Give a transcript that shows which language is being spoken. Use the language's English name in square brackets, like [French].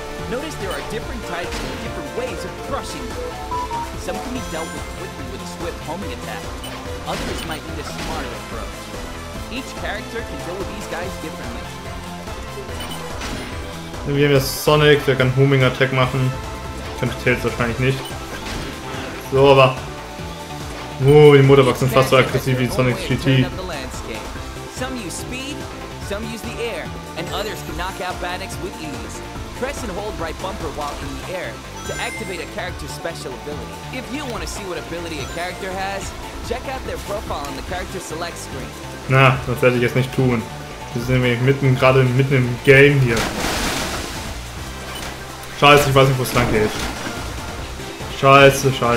[English] Notice there are different types and different ways of crushing you. Some can be dealt with quickly with a swift homing attack. Others might need a smarter approach. Each character can deal with these guys differently. [German] Wir haben jetzt Sonic, der kann Homing Attack machen. Könnte Tails wahrscheinlich nicht. So, aber. Die Motorbox sind fast so aggressiv wie Sonic GT. [English] Some use speed, some use the air, and others can knock out Bannix with ease. Press and hold right bumper while in the air to activate a character's special ability. If you want to see what ability a character has, check out their profile on the character select screen. [German] Na, das werde ich jetzt nicht tun. Wir sind nämlich gerade mitten im Game hier. Scheiße, ich weiß nicht, wo es lang geht. Scheiße.